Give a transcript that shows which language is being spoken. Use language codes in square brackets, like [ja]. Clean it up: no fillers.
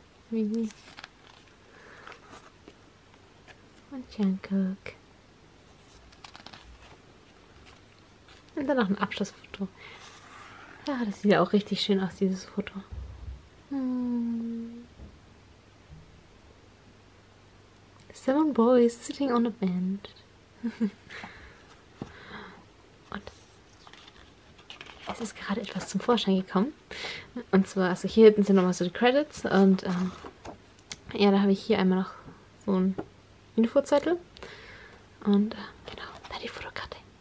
[de] Mimi. Und Jungkook. Und dann noch ein Abschlussfoto. Ja, das sieht ja auch richtig schön aus, dieses Foto. [en] Seven boys sitting on a bench. [de] Und es ist gerade etwas zum Vorschein gekommen. Und zwar, also hier hinten sind nochmal so die Credits. Und ja, da habe ich hier einmal noch so einen Infozettel. Und genau, da die Fotokarte.